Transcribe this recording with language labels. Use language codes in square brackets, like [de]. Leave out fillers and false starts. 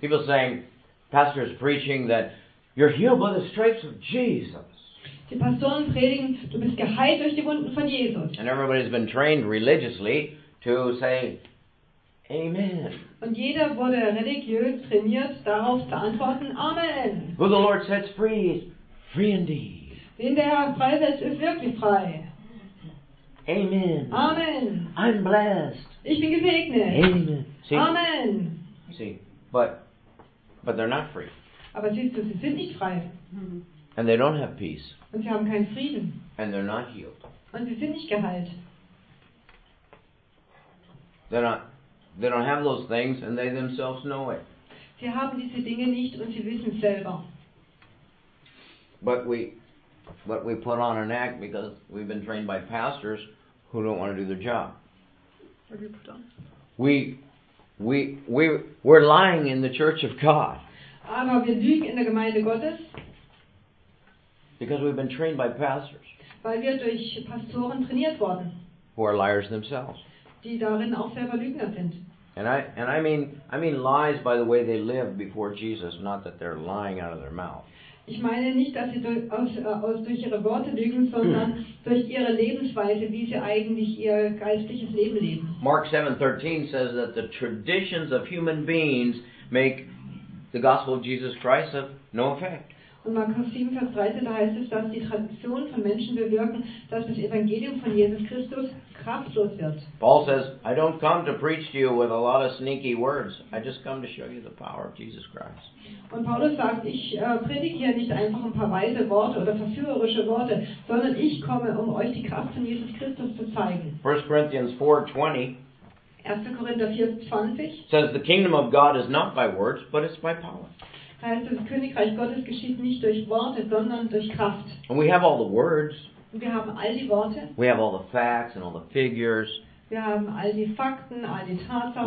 [en] People saying, pastors preaching that you're healed by the stripes of Jesus. [de] Die Pastoren predigen, du bist geheilt durch die Wunden von Jesus. [en] And everybody's been trained religiously to say, Amen. [de] Und jeder wurde religiös trainiert, darauf zu antworten, Amen. [en] Who the Lord sets free is free indeed. [de] Den der Herr freisetzt, ist wirklich frei. [en] Amen. [de] Amen. [en] I'm blessed. [de] Ich bin gesegnet. [en] Amen. See? [de] Amen. [en] See, but they're not free. [de] Aber siehst du, sie sind nicht frei. [en] And they don't have peace. [de] Und sie haben keinen Frieden. [en] And they're not healed. [de] Und sie sind nicht geheilt. [en] They don't have those things and they themselves know it. [de] Sie haben diese Dinge nicht und sie wissen es selber. [en] But we put on an act because we've been trained by pastors who don't want to do their job. We're lying in the church of God. [de] Aber wir lügen in der Gemeinde Gottes. [en] Because we've been trained by pastors. [de] Weil wir durch Pastoren trainiert worden. [en] Who are liars themselves. [de] Die darin auch selber Lügner sind. [en] And I mean lies by the way they live before Jesus, not that they're lying out of their mouth. [de] Ich meine nicht, dass sie durch ihre Worte lügen, sondern durch ihre Lebensweise, wie sie eigentlich ihr geistliches Leben leben. [en] Mark 7:13 says that the traditions of human beings make the gospel of Jesus Christ of no effect. [de] Und Markus 7, Vers 13, da heißt es, dass die Traditionen von Menschen bewirken, dass das Evangelium von Jesus Christus kraftlos wird. [en] Paul says, I don't come to preach to you with a lot of sneaky words. I just come to show you the power of Jesus Christ. [de] Und Paulus sagt, ich predige nicht einfach ein paar weise Worte oder verführerische Worte, sondern ich komme, um euch die Kraft von Jesus Christus zu zeigen. [en] 1 Corinthians 4:20. [de] 1. Korinther 4:20 [en] says the kingdom of God is not by words, but it's by power. [de] Heißt, das Königreich Gottes geschieht nicht durch Worte, sondern durch Kraft. [en] And we have all the words. [de] Wir haben all die Worte. [en] We have all the facts and all the figures. [de] Wir haben all die Fakten, all die Tatsachen.